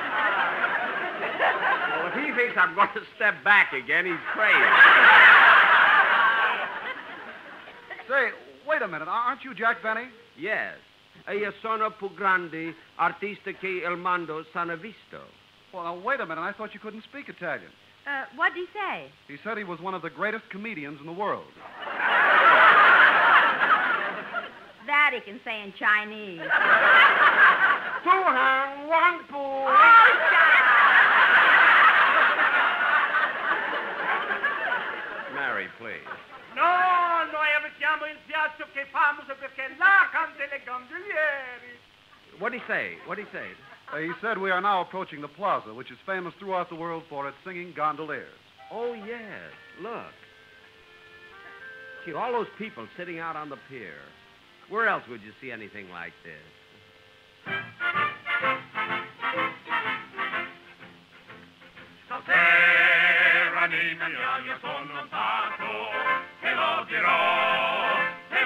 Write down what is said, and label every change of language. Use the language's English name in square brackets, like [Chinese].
[English] Well, if he thinks I'm going to step back again, he's crazy. Say, wait a minute. Aren't you Jack Benny? Yes. [Italian] Io sono più grande artista che il mondo sana visto. [English] Well, now, wait a minute. I thought you couldn't speak Italian. What'd he say? He said he was one of the greatest comedians in the world. That he can say in Chinese. Tu hang wang pu. Oh, shut up. Mary, please. [Italian] No, noi abitiamo in piazza che famoso perché là cante le gondolieri. [English] What'd he say? He said we are now approaching the plaza, which is famous throughout the world for its singing gondoliers. Oh, yes. Look. See, all those people sitting out on the pier. Where else would you see anything like this? [Italian] Stasera, anima mia, io sono andato e lo dirò.